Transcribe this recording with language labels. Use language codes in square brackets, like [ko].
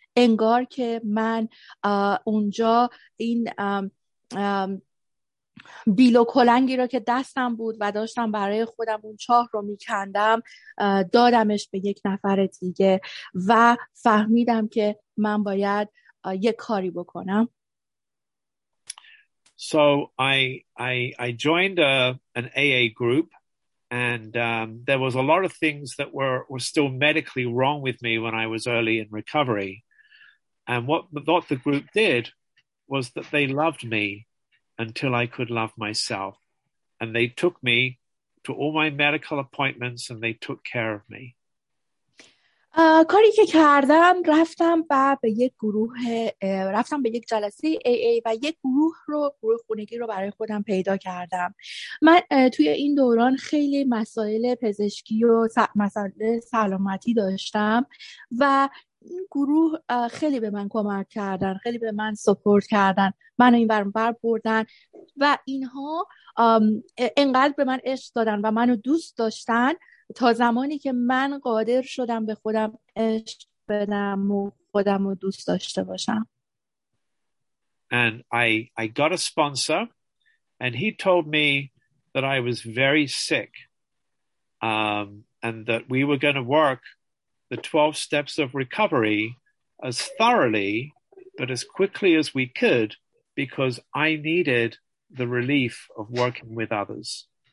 [fa] انگار که من اونجا این بیلو کلنگی رو که دستم بود و داشتم برای خودم اون چاه رو میکندم دادمش به یک نفر دیگه و فهمیدم که من باید یک کاری بکنم. [en] So I joined an AA group and there was a lot of things that were still medically wrong with me when I was early in recovery. And what the group did was that they loved me until I could love myself. And they took me to all my medical appointments and they took care of me. [fa] کاری که کردم رفتم و به یک گروه رفتم به یک جلسه AA و یک گروه رو گروه خونگی رو برای خودم پیدا کردم. من توی این دوران خیلی مسائل پزشکی و مسائل سلامتی داشتم و این گروه خیلی به من کمک کردن، خیلی به من سپورت کردن، منو این ور بردن و اینها انقدر به من عشق دادن و منو دوست داشتن تا زمانی که من قادر شدم به خودم عشق بدم و خودم رو دوست داشته باشم. [en] And I got a sponsor and he told me that I was very sick and that we were going to work the 12 steps of recovery as thoroughly but as quickly as we could because I needed the relief of working with others.